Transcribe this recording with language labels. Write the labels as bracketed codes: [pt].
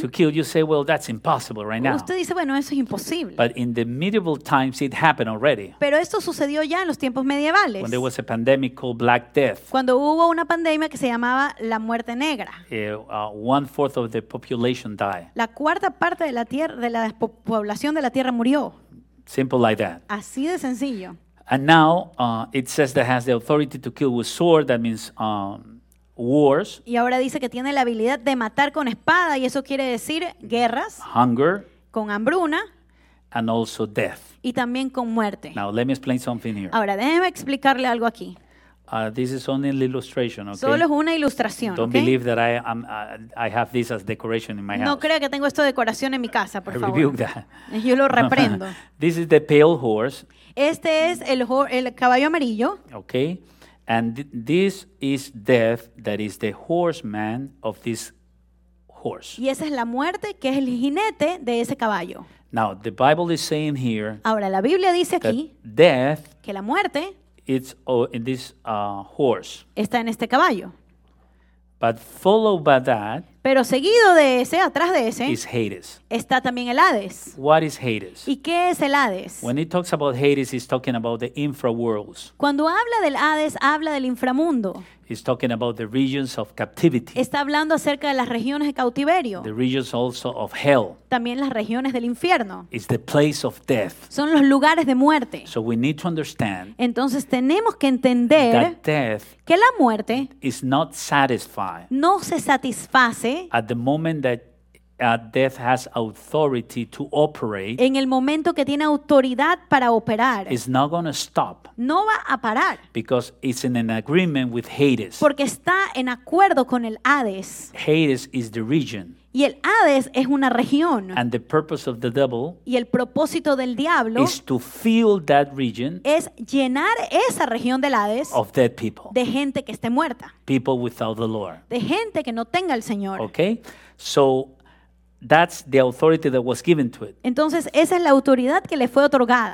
[en] to kill, you say, well, that's impossible right now. [es] Usted dice, bueno, eso es imposible. [en] But in the medieval times, it happened already. [es] Pero esto sucedió ya en los tiempos medievales. [en] When there was a pandemic called Black Death. [es] Cuando hubo una pandemia que se llamaba la muerte negra. [en] One fourth of the population died. [es] La cuarta parte de la tierra, de la población de la tierra murió. [en] Simple like that. [es] Así de sencillo. [en] And now it says that has the authority to kill with sword. That means wars. [es] Y ahora dice que tiene la habilidad de matar con espada, y eso quiere decir guerras. [en] Hunger. [es] Con hambruna. [en] And also death. [es] Y también con muerte. [en] Now let me explain something here. [es] Ahora déjeme explicarle algo aquí. [en] This is only an illustration, okay? [es] Solo es una ilustración, [en] don't okay? Believe that I have this as decoration in my house. [es] No creo que tengo esto de decoración en mi casa, por [en] I [es] favor. [en] Rebuke that. [es] Yo lo reprendo. [en] This is the pale horse. [es] Este es el caballo amarillo. [en] Okay. And this is death, that is the horseman of this horse. [es] Y esa es la muerte, que es el jinete de ese caballo. [en] Now, the Bible is saying here. [es] Ahora la Biblia dice aquí. [en] Death, [es] que la muerte, [en] it's in this horse. [es] Está en este caballo. [en] But followed by that, [es] pero seguido de ese, atrás de ese, [en] is Hades. [es] Está también el Hades. [en] What is Hades? [es] ¿Y qué es el Hades? [en] When it talks about Hades, it's talking about the infraworlds. [es] Cuando habla del Hades, habla del inframundo. [en] It's talking about the regions of captivity. [es] Está hablando acerca de las regiones de cautiverio. [en] The regions also of hell. [es] También las regiones del infierno. [en] It's the place of death. [es] Son los lugares de muerte. [en] So we need to understand. [es] Entonces tenemos que entender [en] that death, [es] que la muerte, [en] is not satisfied. [es] No se satisface. [en] At the moment that death has authority to operate. [es] En el momento que tiene autoridad para operar. [en] It's not going to stop. [es] No va a parar. [en] Because it's in an agreement with Hades. [es] Porque está en acuerdo con el Hades. [en] Hades is the region. [es] Y el Hades es una región. [en] And the purpose of the devil, [es] y el propósito del diablo, [en] is to fill that region, [es] es llenar esa región del Hades, [en] of dead people, [es] de gente que esté muerta, [en] people without the Lord, [es] de gente que no tenga el Señor. [en] Okay, so that's the authority that was given to it. [es] Entonces esa es la autoridad que le fue otorgada.